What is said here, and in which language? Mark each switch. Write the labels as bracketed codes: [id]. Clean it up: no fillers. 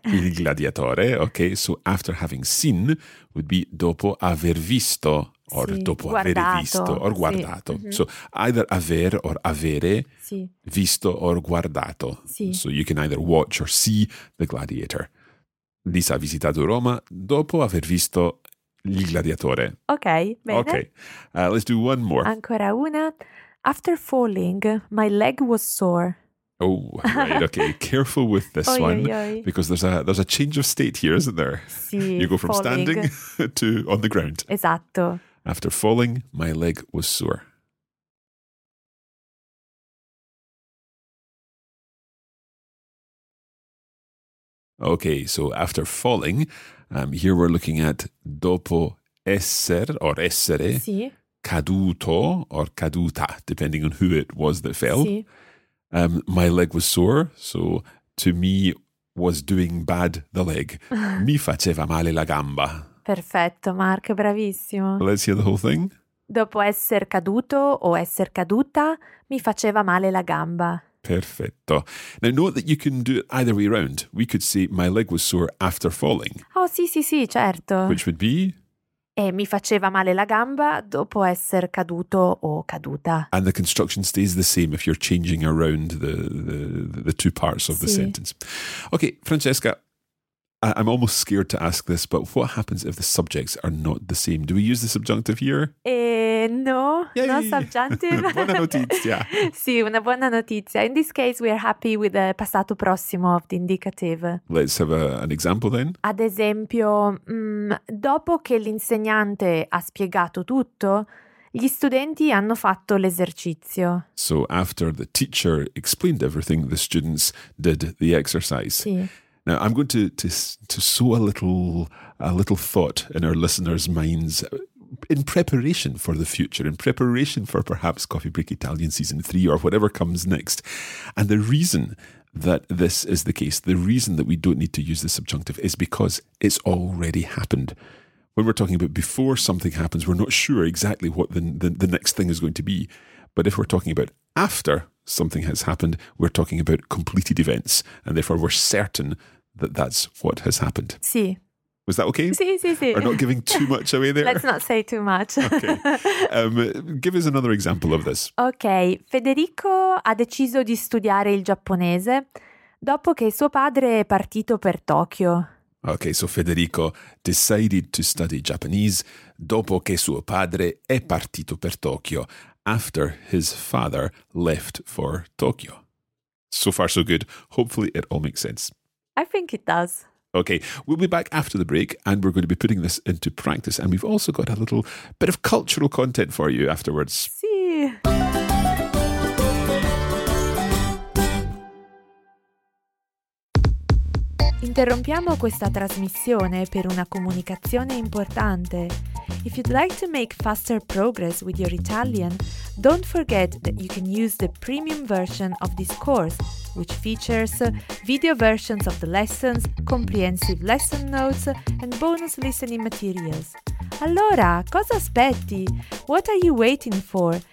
[it] Il gladiatore, okay. [en] So after having seen would be [it] dopo aver visto [en] or [it] sì, dopo guardato. Aver visto or guardato. Sì. Mm-hmm. [en] So either aver or avere, [it] sì. Visto or guardato. Sì. [en] So you can either watch or see The Gladiator. [it] Lisa ha visitato Roma dopo aver visto il gladiatore. Okay, bene. [en] Okay, let's do one more. [it] Ancora una. [en] After falling, my leg was sore. Oh, right, okay. Careful with this one, because there's a change of state here, isn't there? [it] Sì, [en] you go from falling. Standing to on the ground. [it] Esatto. [en] After falling, my leg was sore. Okay, so after falling, here we're looking at [it] dopo essere [en] or essere, [it] sì. [en] Caduto or caduta, depending on who it was that fell. [it] Sì. [en] My leg was sore, so to me was doing bad the leg. [it] Mi faceva male la gamba. Perfetto, Mark, bravissimo. [en] Let's hear the whole thing. [it] Dopo esser caduto o esser caduta, mi faceva male la gamba. Perfetto. [en] Now note that you can do it either way around. We could say my leg was sore after falling. [it] Oh, sì, certo. [en] Which would be? [it] E mi faceva male la gamba dopo essere caduto o caduta. [en] And the construction stays the same if you're changing around the two parts of [it] sì. [en] the sentence. Okay, Francesca, I'm almost scared to ask this, but what happens if the subjects are not the same? Do we use the subjunctive here? No, no subjunctive. [it] Buona notizia. Sì, una buona notizia. [en] In this case, we are happy with the passato prossimo of the indicative. Let's have an example then. [it] Ad esempio, dopo che l'insegnante ha spiegato tutto, gli studenti hanno fatto l'esercizio. [en] So after the teacher explained everything, the students did the exercise. [it] Sì. [en] Now I'm going to sow a little thought in our listeners' minds. In preparation for the future, in preparation for perhaps Coffee Break Italian Season 3 or whatever comes next. And the reason that this is the case, the reason that we don't need to use the subjunctive is because it's already happened. When we're talking about before something happens, we're not sure exactly what the next thing is going to be. But if we're talking about after something has happened, we're talking about completed events. And therefore, we're certain that that's what has happened. [it] Sì. [en] Was that okay? [it] Sì. [en] Or not giving too much away there? Let's not say too much. Okay. Give us another example of this. Okay. [it] Federico ha deciso di studiare il giapponese dopo che suo padre è partito per Tokyo. [en] Okay. So Federico decided to study Japanese [it] dopo che suo padre è partito per Tokyo, [en] after his father left for Tokyo. So far, so good. Hopefully it all makes sense. I think it does. Okay, we'll be back after the break and we're going to be putting this into practice. And we've also got a little bit of cultural content for you afterwards. See. [it] Interrompiamo questa trasmissione per una comunicazione importante. [en] If you'd like to make faster progress with your Italian, don't forget that you can use the premium version of this course, which features video versions of the lessons, comprehensive lesson notes, and bonus listening materials. [it] Allora, cosa aspetti? [en] What are you waiting for?